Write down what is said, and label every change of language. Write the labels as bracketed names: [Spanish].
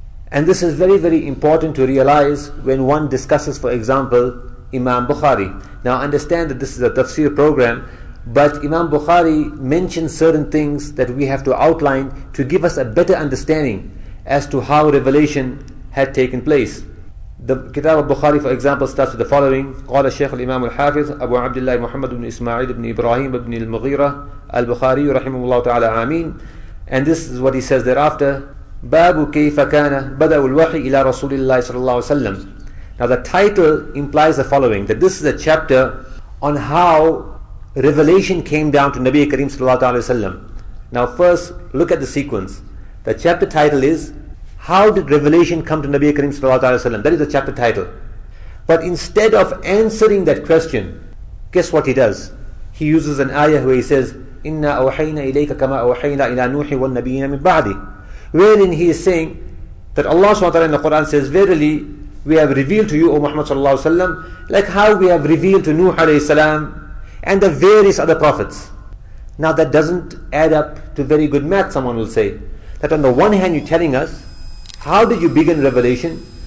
[English] And this is very, very important to realize when one discusses, for example, Imam Bukhari. Now understand that this is a tafsir program, but Imam Bukhari mentions certain things that we have to outline to give us a better understanding as to how revelation had taken place. The Kitab al-Bukhari, for example, starts with the following: [Arabic] قَالَ الشَّيْخُ الْإِمَامُ الْحَافِظُ أَبُو عَبْدِ اللَّهِ مُحَمَّدُ بْنِ إِسْمَاعِيلِ بْنِ إِبْرَاهِيمِ بْنِ الْمُغِيرَةِ الْبُخَارِيُّ رَحِمَهُ اللَّهُ تَعَالَى آمين. [English] And this is what he says thereafter: [Arabic] بَابُ كَيْفَ كَانَ بَدَأُ الْوَحِي إِلَى رَسُولِ اللَّهِ صَلَّى اللَّهُ عَلَيْهِ وَسَلَّمَ. [English] Now the title implies the following, that this is a chapter on how revelation came down to Nabi Kareem sallallahu alayhi wa sallam. Now first, look at the sequence. The chapter title is, how did revelation come to Nabi Kareem sallallahu alayhi wa sallam? That is the chapter title. But instead of answering that question, guess what he does? He uses an ayah where he says, [Arabic] إِنَّا أَوْحَيْنَا إِلَيْكَ كَمَا أَوْحَيْنَا إِلَى نُوحِ وَالنَّبِيِّنَ مِنْ بَعْدِ. [English] Wherein he is saying that Allah SWT in the Quran says, verily, we have revealed to you, O Muhammad sallallahu alayhi wa sallam, like how we have revealed to Nuh alayhi salam and the various other prophets. Now that doesn't add up to very good math, someone will say. That on the one hand you're telling us, how did you begin revelation?